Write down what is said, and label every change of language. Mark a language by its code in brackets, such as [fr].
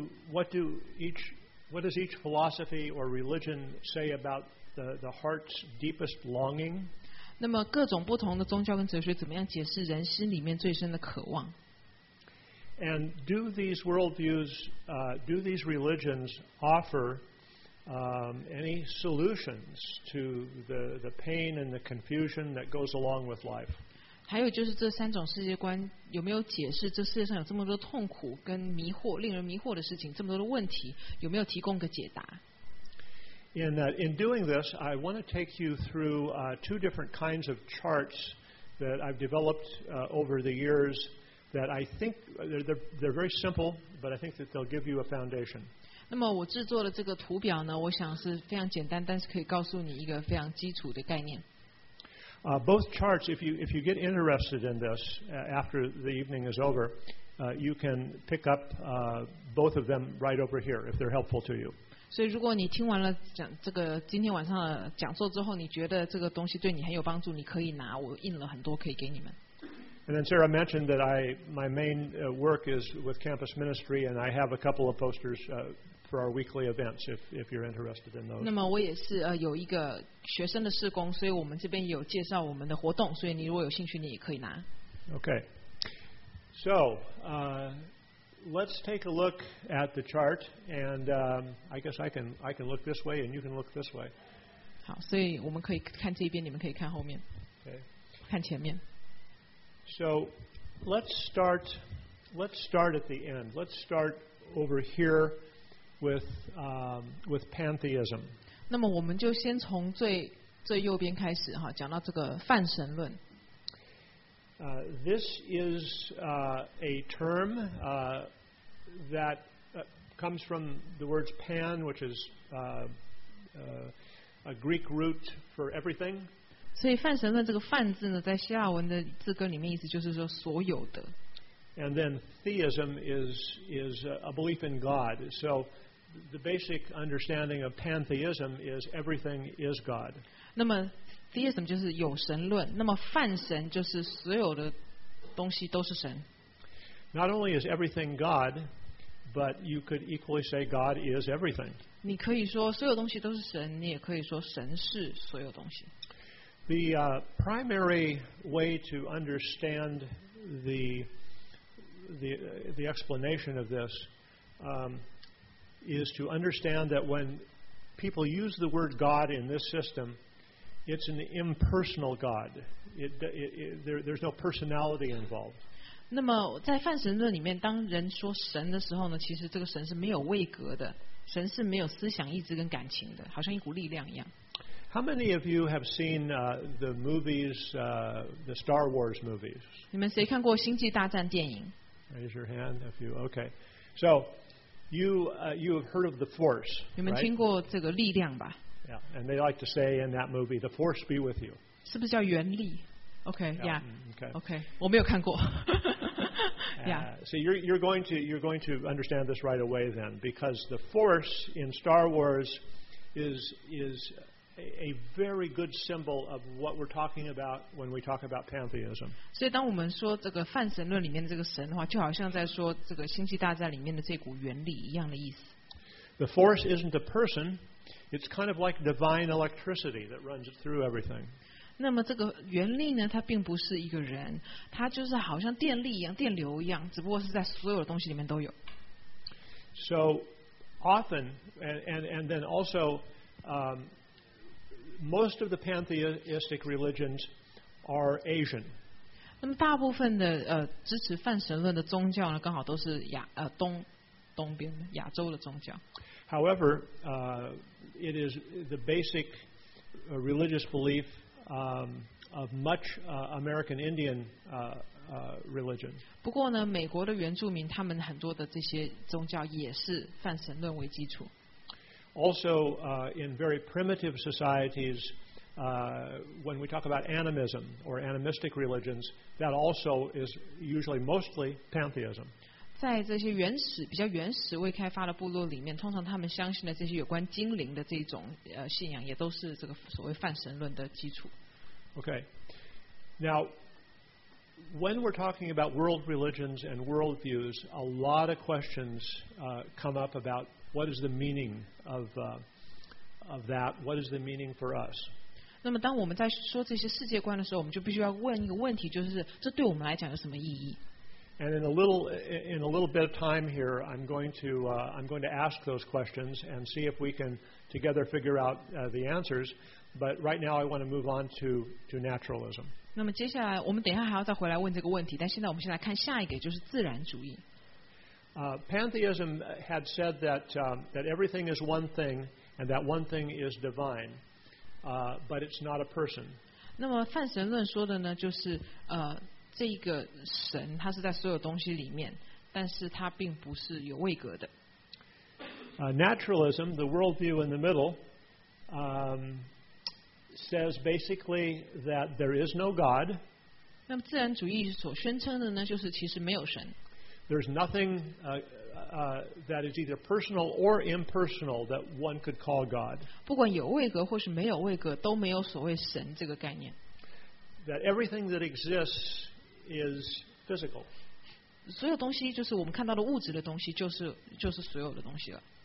[en] What does each philosophy or religion say about the heart's deepest longing? [zh] 那么各种不同的宗教跟哲学怎么样解释人心里面最深的渴望？ [en] And do these worldviews, do these religions offer any solutions to the pain and the confusion that goes along with life? [zh] 还有就是这三种世界观有没有解释这世界上有这么多痛苦跟迷惑，令人迷惑的事情，这么多的问题，有没有提供个解答？ [en] In doing this, I want to take you through two different kinds of charts that I've developed over the years that I think they're very simple, but I think that they'll give you a foundation. [zh] 那么我制作的这个图表呢，我想是非常简单，但是可以告诉你一个非常基础的概念。 [en] Both charts, if you get interested in this after the evening is over, you can pick up both of them right over here if they're helpful to you. [zh] 所以如果你听完了讲这个今天晚上的讲座之后，你觉得这个东西对你很有帮助，你可以拿，我印了很多可以给你们。 [en] And then Sarah mentioned that my main work is with Campus Ministry, and I have a couple of posters for our weekly events if you're interested in those. [zh] 那么我也是有一个学生的事工，所以我们这边有介绍我们的活动，所以你如果有兴趣，你也可以拿。 [en] Okay. So, let's take a look at the chart, and I guess I can look this way, and you can look this way. [zh] 好，所以我们可以看这边，你们可以看后面。 [en] Okay. [zh] 看前面。 [en] So let's start at the end. Let's start over here with pantheism. [zh] 那么我们就先从最右边开始哈，讲到这个泛神论。 [en] This is a term that comes from the words pan, which is a Greek root for everything. [zh] 所以泛神论这个泛字呢，在希腊文的字根里面意思就是说所有的。 [en] And then theism is a belief in God. So the basic understanding of pantheism is everything is God. [zh] 那么 theism 就是有神论，那么泛神就是所有的东西都是神。 [en] Not only is everything God, but you could equally say God is everything. [zh] 你可以说所有东西都是神，你也可以说神是所有东西。 [en] The primary way to understand the explanation of this is to understand that when people use the word God in this system, it's an impersonal God. There's no personality involved. [zh] 那么在泛神论里面，当人说神的时候呢，其实这个神是没有位格的，神是没有思想、意志跟感情的，好像一股力量一样。 [en] How many of you have seen the movies, the Star Wars movies? [zh] 你们谁看过星际大战电影？ [en] Raise your hand if you okay. So you have heard of the Force, right? [zh] 你们听过这个力量吧？ [en] Yeah, and they like to say in that movie, "The Force be with you." [zh] 是不是叫原力？ [en] Okay, yeah. Okay. Okay, [zh] 我没有看过。 [en] Yeah. So you're going to understand this right away then, because the Force in Star Wars is a very good symbol of what we're talking about when we talk about pantheism. [zh] 所以当我们说这个泛神论里面的这个神的话，就好像在说这个星际大战里面的这股原理一样的意思。 [en] The Force isn't a person; it's kind of like divine electricity that runs through everything. [zh] 那么这个原力呢，它并不是一个人，它就是好像电力一样、电流一样，只不过是在所有的东西里面都有。 [en] So often, and then also, most of the pantheistic religions are Asian. [zh] 那么大部分的支持泛神论的宗教呢，刚好都是东边亚洲的宗教。 [en] However, it is the basic religious belief of much American Indian religion. [zh] 不过呢，美国的原住民他们很多的这些宗教也是泛神论为基础。 [en] Also, in very primitive societies, when we talk about animism or animistic religions, that also is usually mostly pantheism. [zh] 在这些原始、比较原始未开发的部落里面，通常他们相信的这些有关精灵的这种信仰，也都是这个所谓泛神论的基础。 [en] Okay. Now, when we're talking about world religions and worldviews, a lot of questions come up about what is the meaning of that? What is the meaning for us? [zh] 那么当我们在说这些世界观的时候，我们就必须要问一个问题，就是这对我们来讲有什么意义？ [en] And in a little bit of time here, I'm going to ask those questions and see if we can together figure out the answers. But right now, I want to move on to naturalism. [zh] 那么接下来，我们等一下还要再回来问这个问题，但现在我们先来看下一个，就是自然主义。 [en] Pantheism had said that everything is one thing, and that one thing is divine, but it's not a person. [zh] 那么泛神论说的呢，就是这个神他是在所有东西里面，但是他并不是有位格的。 [en] Naturalism, the worldview in the middle, says basically that there is no God. [zh] 那么自然主义所宣称的呢，就是其实没有神。 [en] There's nothing that is either personal or impersonal that one could call God. [zh] 不管有位格或是没有位格，都没有所谓神这个概念。 [en] That everything that exists is physical. [zh] 所有东西就是我们看到的物质的东西，就是所有的东西了。